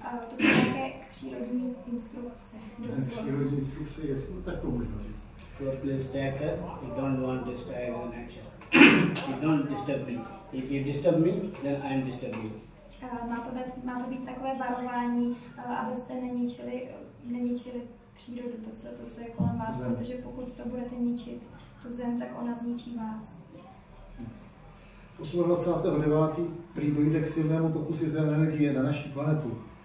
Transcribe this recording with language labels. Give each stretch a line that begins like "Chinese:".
Czech: To jsou také přírodní instrukce. Přírodní instrukce, jestli, no, tak to možná říct.
English: So please take it, you don't want to disturb the nature. You don't disturb me. If you disturb me, then I am disturbing you.
Czech: Má to být takové varování, abyste neničili přírodu, to, co je kolem vás, zem. Protože pokud to budete ničit, tu zem, tak ona zničí vás. 28.9. prý dojde k silnému toku světelné energie na naší planetu.